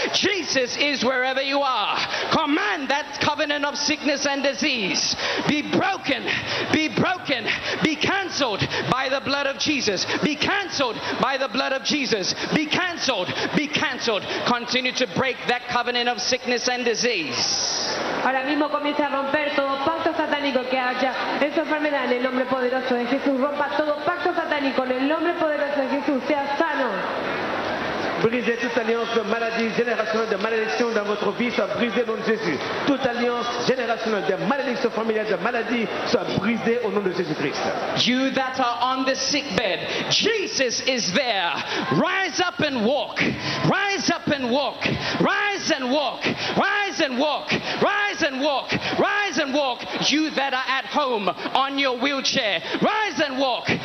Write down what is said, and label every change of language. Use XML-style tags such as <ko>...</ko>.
<en>Jesus is wherever you are. Command that covenant of sickness and disease. Be broken. Be broken. Be canceled by the blood of Jesus. Be canceled. Canceled by the blood of Jesus. Be canceled. Be canceled. Continue to break that covenant of sickness and disease.</en> <es>Ahora mismo comienza a romper todo pacto satánico que haya en su enfermedad en el nombre poderoso de Jesús. Rompa todo pacto satánico en el nombre poderoso de Jesús. Sea sano.</es> <fr>Brisez toute alliance de maladie générationnelle de malédiction dans votre vie, soit brisée au nom de Jésus. Toute alliance générationnelle de malédiction familiale de maladie, soit brisée au nom de Jésus-Christ.</fr> <en>You that are on the sick bed, Jesus is there. Rise up and walk. Rise up and walk. Rise and walk. Rise and walk. Rise and walk. Rise and walk. You that are at home on your wheelchair, rise and walk.</en>